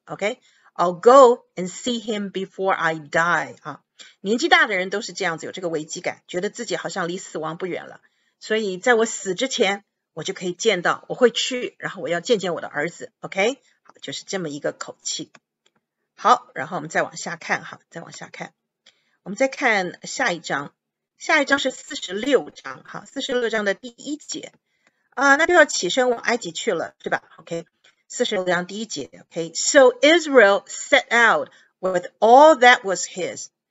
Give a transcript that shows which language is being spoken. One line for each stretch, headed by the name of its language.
English: OK，I'll go and see him before I die。
Chinese: 啊，年纪大的人都是这样子，有这个危机感，觉得自己好像离死亡不远了。所以在我死之前，我就可以见到，我会去，然后我要见见我的儿子。 OK，好，就是这么一个口气。好，然后我们再往下看哈，再往下看，我们再看下一章，下一章是46章哈，46章的第一节。啊，那就要起身往埃及去了，对吧？OK，46章第一节，OK。
English: So Israel set out with all that was his。